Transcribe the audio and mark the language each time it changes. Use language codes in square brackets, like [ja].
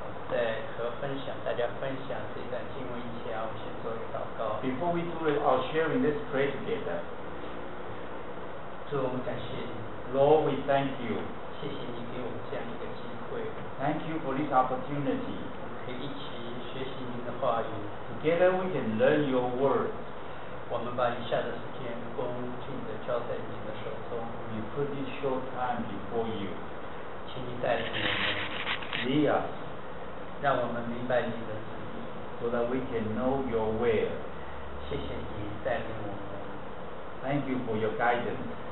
[zh] 在和大家分享这段经文以前，我先做一个祷告. [en] Before we do our sharing, let's pray together. [zh] 主，我们感谢你. [en] Lord, we thank you. [zh] 谢谢你给我们这样一个机会. [en] Thank you for this opportunity. [zh] 我们可以一起学习您的话语. [en] Together, we can learn your word. [zh] 我们把以下的时间恭敬地交在您的手中。 [en] We put this short time before you. [zh] 请您带领我们。 [en] Lead us. [zh] 让我们明白您的旨意。 [en] So that we can know your will. [zh] 谢谢您带领我们。 [en] Thank you for your guidance.